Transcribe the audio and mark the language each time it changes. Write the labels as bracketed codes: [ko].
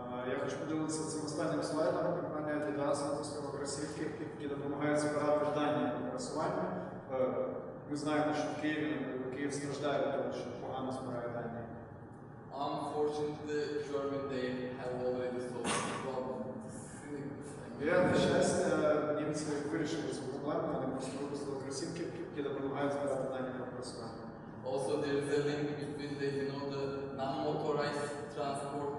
[uk] Я хочу поділитися цим останнім слайдом. Компанія Adidas, цього кросівки, які допомагають збирати дані пересування. Ми знаємо, що в Києві, Київ страждає від того, що погано збирає дані. [en] Unfortunately, German, they have already solved the problem. [uk] Я, на щастя, німці вирішили цю проблему, вони просто випустили кросівки, які допомагають збирати дані на пересування. [en] Also, there is a link between the, you know, the non-motorized transport.